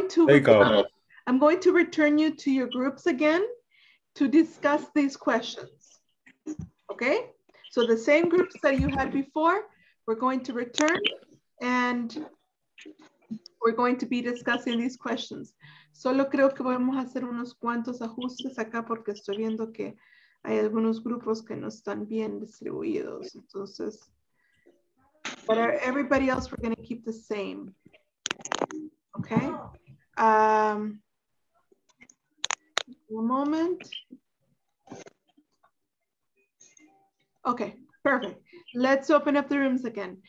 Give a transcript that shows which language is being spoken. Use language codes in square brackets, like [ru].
[en] I'm going to return you to your groups again to discuss these questions, okay? So the same groups that you had before, we're going to return and we're going to be discussing these questions. [es] Solo creo que vamos a hacer unos cuantos ajustes acá porque estoy viendo que hay algunos grupos que no están bien distribuidos. [en] Entonces, but everybody else, we're going to keep the same. Okay. One moment. Okay. Perfect. Let's open up the rooms again.